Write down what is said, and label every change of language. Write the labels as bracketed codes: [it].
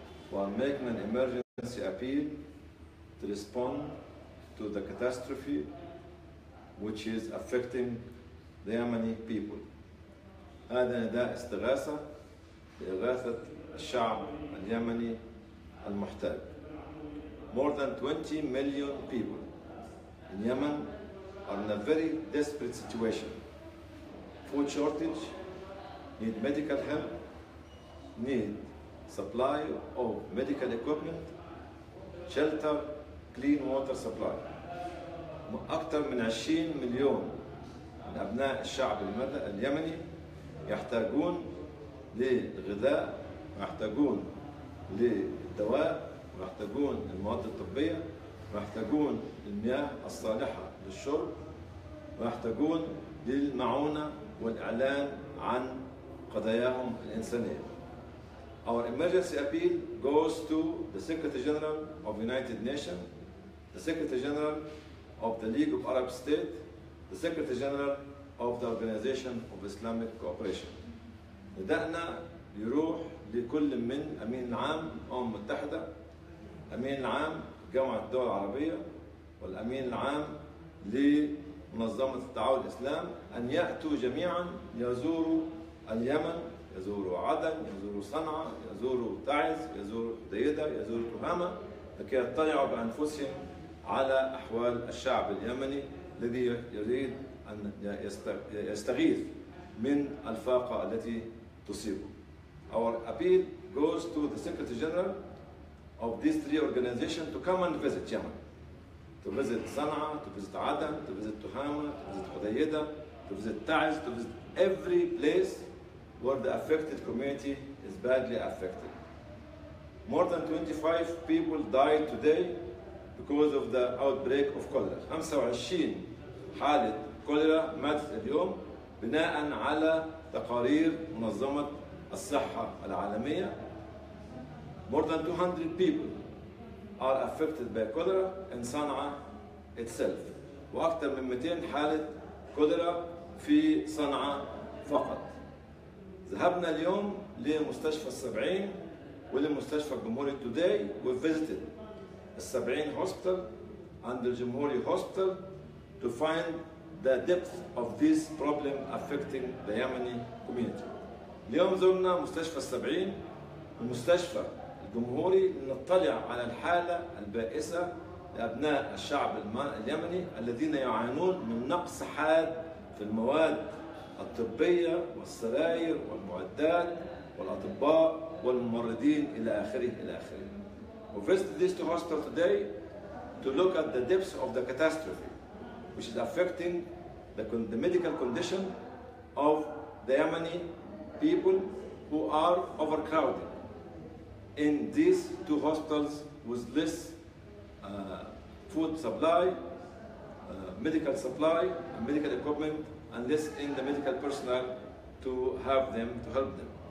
[en] While making an emergency appeal to respond to the catastrophe which is affecting the Yemeni people. [ar] هذا نداء استغاثة لإغاثة الشعب اليمني المحتاج. [en] More than 20 million people in Yemen are in a very desperate situation. Food shortage, need medical help, need supply of medical equipment, shelter, clean water supply. [ar] أكثر من 20 مليون من أبناء الشعب اليمني يحتاجون للغذاء ويحتاجون للدواء ويحتاجون المواد الطبية ويحتاجون المياه الصالحة للشرب ويحتاجون للمعونة والإعلان عن قضاياهم الإنسانية. [en] Our emergency appeal goes to the Secretary General of the United Nations, the Secretary General of the League of Arab States, the Secretary General of the Organization of Islamic Cooperation. [ar] نداءنا يروح لكل من أمين العام الأمم المتحدة، أمين العام جامعة الدول العربية، والأمين العام لمنظمة التعاون الإسلام أن يأتوا جميعا يزوروا اليمن، يزوروا عدن، يزوروا صنعاء، يزوروا تعز، يزوروا حديدة، يزوروا كهامة، لكي يطلعوا بأنفسهم على أحوال الشعب اليمني الذي يريد أن يستغيث من الفاقة التي تصيبه. [en] Our appeal goes to the Secretary General of these three organizations to come and visit Yemen. To visit صنعاء, to visit عدن, to visit تهامة, to visit حديدة, to visit تعز, to visit every place where the affected community is badly affected. More than 25 people died today because of the outbreak of cholera. [ar] 25 حالة كوليرا ماتت اليوم بناء على تقارير منظمة الصحة العالمية. [en] More than 200 people are affected by cholera in Sana'a itself. [ar] وأكثر من 200 حالة كوليرا في صنعاء فقط. ذهبنا اليوم لمستشفى السبعين ولمستشفى الجمهوري [en] today. We visited السبعين hospital and the Jamhuri hospital to find the depth of this problem affecting the Yemeni community. [ar] اليوم زرنا مستشفى السبعين المستشفى الجمهوري لنطلع على الحالة البائسة لأبناء الشعب اليمني الذين يعانون من نقص حاد في المواد الطبية والسراير والمعدات والأطباء والممرضين إلى آخره إلى آخره. [en] We visited these two hospitals today to look at the depths of the catastrophe which is affecting the medical condition of the Yemeni people who are overcrowded in these two hospitals with less food supply, medical supply, and medical equipment, and less in the medical personnel to have them, to help them.